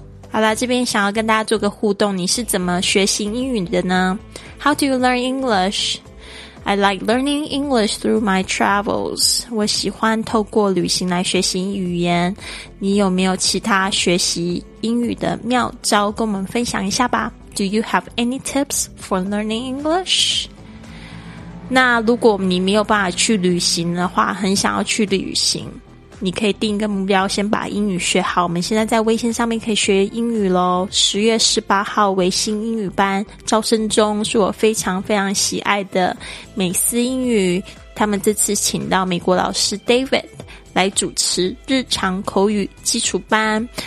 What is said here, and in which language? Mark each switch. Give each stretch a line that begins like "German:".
Chinese: 好啦，这边想要跟大家做个互动，你是怎么学习英语的呢？
English: How do you learn English? I like learning English through my travels.
Chinese: 我喜欢透过旅行来学习语言。你有没有其他学习英语的妙招跟我们分享一下吧？
English: Do you have any tips for learning English?
Chinese: 那如果你没有办法去旅行的话，很想要去旅行，你可以定一个目标，先把英语学好。我们现在在微信上面可以学英语咯，10月18号微信英语班招生中，是我非常非常喜爱的美思英语，他们这次请到美国老师 David 来主持日常口语基础班。